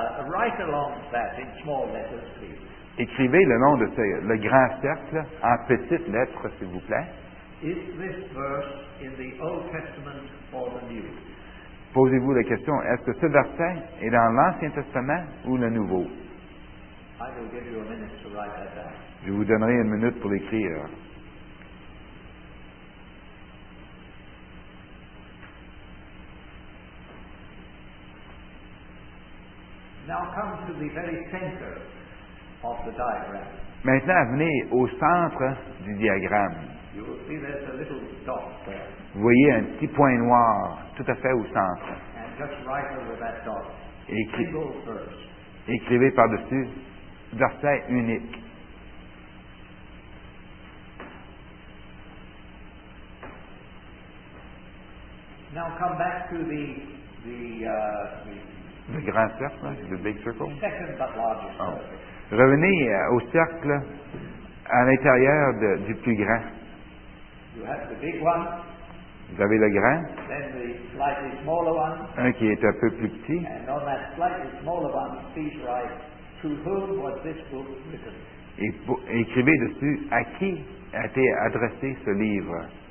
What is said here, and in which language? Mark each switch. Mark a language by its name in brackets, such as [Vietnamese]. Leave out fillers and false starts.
[English] Write along that in small letters, please. [French] Écrivez le nom de le grand cercle en petites lettres, s'il vous plaît. [English] Is this verse in the Old Testament or the New? [French] Posez-vous la question, est-ce que ce verset est dans l'Ancien Testament ou le Nouveau? [English] I will give you a minute to write that down. [French] Je vous donnerai une minute pour l'écrire. [English] Now come to the very center of the diagram. [French] Maintenant, venez au centre du diagramme. [English] You will see there's a little dot there. [French] Vous voyez un petit point noir tout à fait au centre. [English] And just write over that dot. Single verse. [French] Écrivez par-dessus, verset unique. [English] Now come back to the [French] grand cercle, [English] the big circle. Second but larger circle. Oh. [French] Revenez au cercle à l'intérieur du plus grand. [English] You have the big one. [French] Vous avez le grand. [English] Then the slightly smaller one. [French] Un qui est un peu plus petit. [English] And on that slightly smaller one, please write, to whom was this book written? [French] Écrivez dessus, à qui a été adressé ce livre?